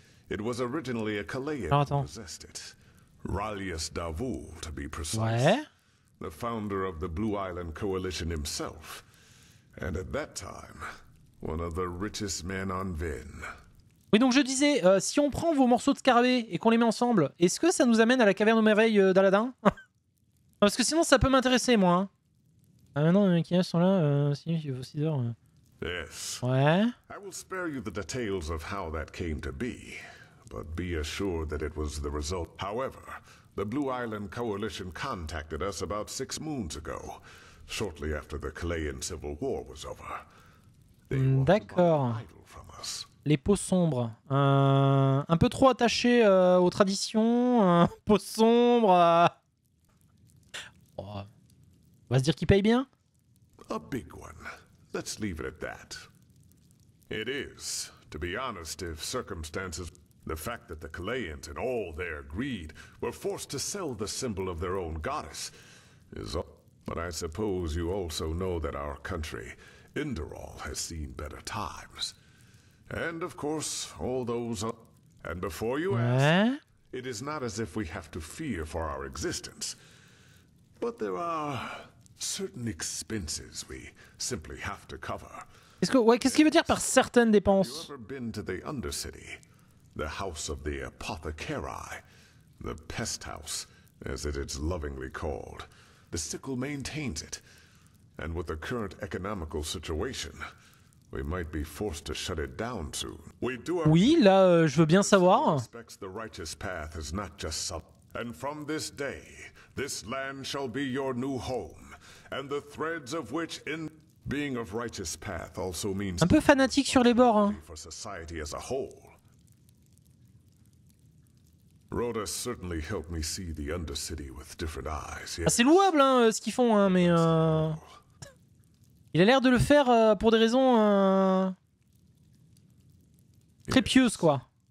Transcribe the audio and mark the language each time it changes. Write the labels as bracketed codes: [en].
[en] It was originally a Kelaean who possessed it. Ralius Davul, to be precise. [fr] Ouais. [en] The founder of the Blue Island Coalition himself. And at that time, one of the richest men on Vin. [fr] Oui, donc je disais, si on prend vos morceaux de scarabée et qu'on les met ensemble, est-ce que ça nous amène à la caverne aux merveilles d'Aladin? Parce que sinon, ça peut m'intéresser, moi. Hein. Ah, maintenant, les maquillages sont là. Si, j'ai vos ciseurs. [en] Yes. [fr] Ouais. [en] I will spare you the details of how that came to be, but be assured that it was the result. However, the Blue Island Coalition contacted us about six moons ago, shortly after the Calaean Civil War was over. They [fr] D'accord. Les peaux sombres, un peu trop attachées aux traditions, peaux sombres. On va se dire qu'ils payent bien. [en] A big one. Let's leave it at that. It is, to be honest, if circumstances, the fact that the Calaeans and all their greed were forced to sell the symbol of their own goddess, is all. But I suppose you also know that our country, Inderall, has seen better times. And of course, all those. And before you ask, it is not as if we have to fear for our existence. But there are certain expenses we simply have to cover. [fr] Qu'est-ce qu'il veut dire par certaines dépenses? [en] Have you ever been to the Undercity, the house of the Apothecarii, the Pest House, as it is lovingly called? The sickle maintains it. And with the current economical situation, we might be forced to shut it down soon. [fr] Oui, là, je veux bien savoir. [en] The righteous path is not just some. And from this day, this land shall be your new home, and the threads of which in being of righteous path also means. [fr] Un peu fanatique sur les bords, hein. [en] For society as a whole. Rhoda certainly helped me see the Undercity with different eyes. [fr] Ah, c'est louable, hein, ce qu'ils font, hein, mais. Il a l'air de le faire pour des raisons très pieuses, quoi.